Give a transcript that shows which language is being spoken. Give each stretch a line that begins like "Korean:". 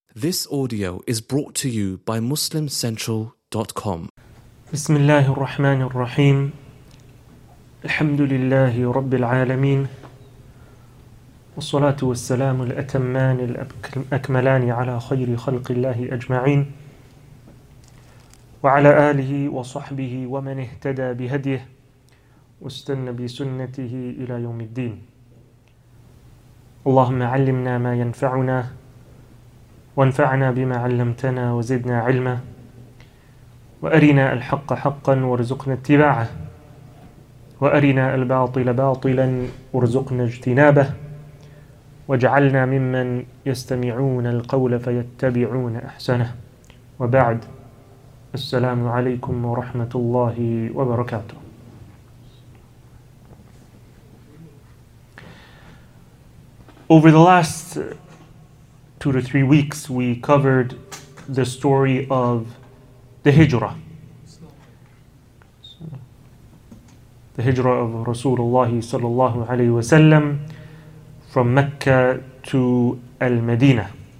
English: This audio is brought to you by MuslimCentral.com.
Arabic: بسم الله الرحمن الرحيم الحمد لله رب العالمين والصلاة والسلام الأتمان الأكملان على خير خلق الله أجمعين وعلى آله وصحبه ومن اهتدى بهديه واستنى بسنته إلى يوم الدين اللهم علمنا ما ينفعنا وانفعنا بما علمتنا وزدنا علما وأرنا الحق حقا وارزقنا اتباعه وأرنا الباطل باطلا وارزقنا اجتنابه واجعلنا ممن يستمعون القول فيتبعون أحسنه وبعد السلام عليكم ورحمة الله وبركاته.
English: Over the last 2 to 3 weeks, we covered the story of the Hijrah. The Hijrah of Rasulullah sallallahu alayhi wa sallam from Mecca to Al-Madinah.